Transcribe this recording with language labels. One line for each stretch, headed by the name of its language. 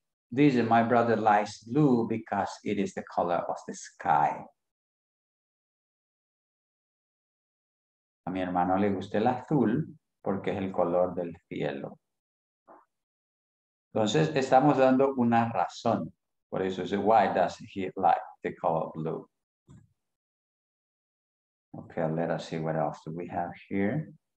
English: This is my brother likes blue because it is the color of the sky.
Spanish: A mi hermano le gusta el azul porque es el color del cielo. Entonces estamos dando una razón. Por eso dice,
English: why does he like the color blue? Okay, let us see what else do we have here.